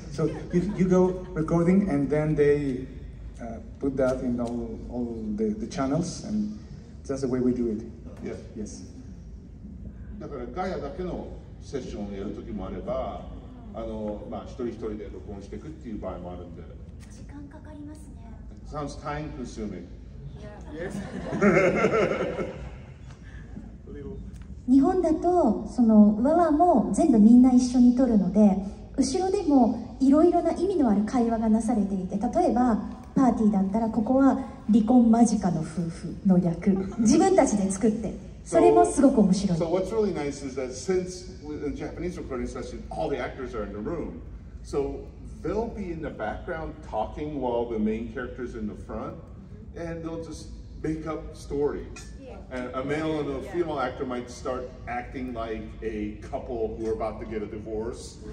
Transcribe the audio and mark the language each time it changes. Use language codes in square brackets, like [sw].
[en] So you go recording, and then they put that in all the channels, and that's the way we do it. Yeah. Yes. [ja] だからガヤだけのセッションをやるときもあれば、一人一人で録音していくっていう場合もあるんで。時間かかりますね。 [en] Sounds time consuming. Yes. [ja] 日本だとそのワワも全部みんな一緒に撮るので、後ろでもいろいろな意味のある会話がなされていて、例えばパーティーだったらここは離婚間近の夫婦の役、自分たちで作って。 [en] So what's really nice is that since in Japanese recording session, all the actors are in the room. So they'll be in the background talking while the main character's in the front, and they'll just make up stories. And a male and a female actor might start acting like a couple who are about to get a divorce.